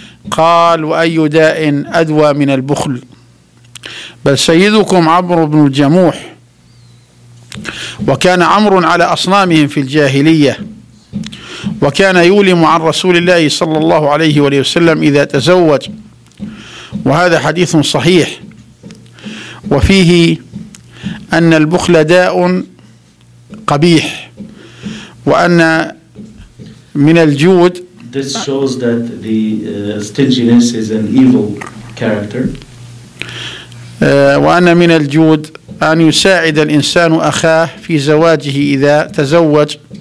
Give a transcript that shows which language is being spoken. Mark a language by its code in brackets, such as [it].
[ar] قال وأي داء أدوى من البخل، بل سيدكم عمرو بن الجموح، وكان عمرو على أصنامهم في الجاهلية، وكان يولم عن رسول الله صلى الله عليه وسلم إذا تزوج، وهذا حديث صحيح، وفيه أن البخل داء قبيح، وأن من الجود. [en] This shows that the stinginess is an evil character. [ar] وأن من الجود أن يساعد الإنسان أخاه في زواجه إذا تزوج.